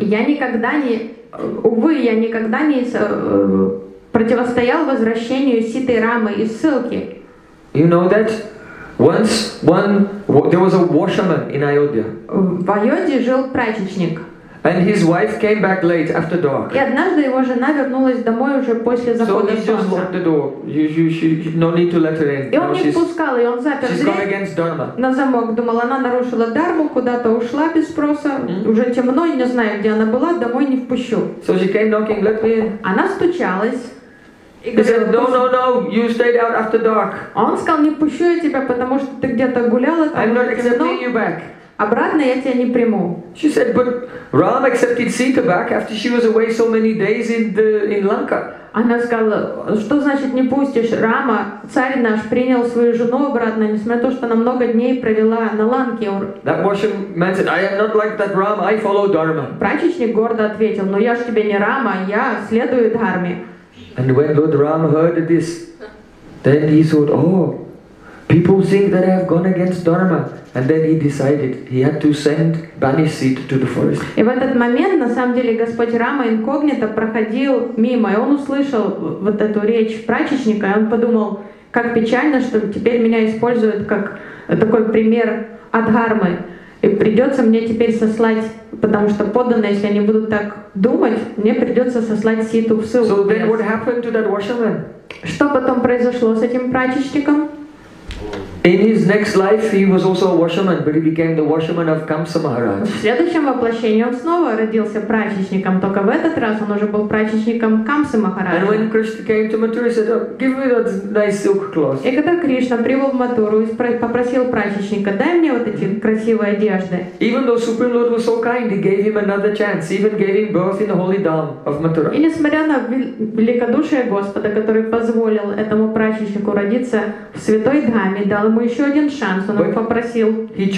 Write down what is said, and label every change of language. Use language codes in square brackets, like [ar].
[ru] Я никогда не, увы, я никогда не противостоял возвращению Ситы Рамы из ссылки. [en] You know that once one there was a washerman in Ayodhya. [ru] В Айодхе жил прачечник. [en] And his wife came back late after dark. [ru] И однажды его жена вернулась домой уже после захода солнца. [en] So he just locked the door. No need to let her in. [ru] И он не впускал, и он запер дверь. [en] She's gone against dharma. [ru] На замок. Думал, она нарушила дарму, куда-то ушла без спроса. Уже темно, не знаю, где она была, домой не впущу. [en] So she came knocking, let me in. [ru] Она стучалась. [en] He said, no, you stayed out after dark. [ru] Он сказал, не пущу я тебя, потому что ты где-то гуляла, там темно. [en] I'm not accepting you back. [ru] Обратно я тебя не приму. [en] She said, but Ram accepted Sita back after she was away so many days in Lanka. [ru] Она сказала, что значит не пустишь? Рама, царь наш, принял свою жену обратно, несмотря на то, что она много дней провела на Ланке. [en] That washerman said, I am not like that Ram, I follow dharma. [ru] Прачечник гордо ответил, но я ж тебе не Рама, я следую дхарме. [en] And when Lord Ram heard this, then he thought, oh, people think that I have gone against dharma. And then he decided he had to send banish Sita to the forest. [ru] И в этот момент, на самом деле, Господь Рама инкогнито проходил мимо, и он услышал вот эту речь прачечника, и он подумал, как печально, что теперь меня используют как такой пример от дхармы, и придется мне теперь сослать, потому что подданные, если они будут так думать, мне придется сослать Ситу в ссылку. [en] So then what happened to that washerman? [ru] Что потом произошло с этим прачечником? [en] In his next life, he was also a washerman, but he became the washerman of Kamsa Maharaj. [ru] В следующем воплощении он снова родился прачечником, только в этот раз он уже был прачечником Камсы Махараджа. [en] And when Krishna came to Mathura, he said, oh, "Give me that nice silk cloth." [ru] И когда Кришна прибыл в Матуру и попросил прачечника, дай мне вот эти красивые одежды. [en] Even though Supreme Lord was so kind, he gave him another chance. He even gave him birth in the holy dam of Mathura. [ru] И несмотря на великодушие Господа, который позволил этому прачечнику родиться в святой даме, дал ему еще один шанс, он попросил